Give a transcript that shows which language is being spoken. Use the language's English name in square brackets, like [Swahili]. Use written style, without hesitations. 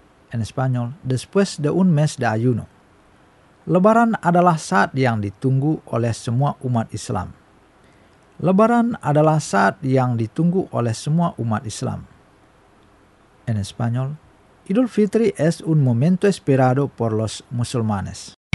[Spanish] En español, después de un mes de ayuno. [Indonesian] Lebaran adalah saat yang ditunggu oleh semua umat Islam. Lebaran adalah saat yang ditunggu oleh semua umat Islam. [Spanish] En español, Idul Fitri es un momento esperado por los musulmanes.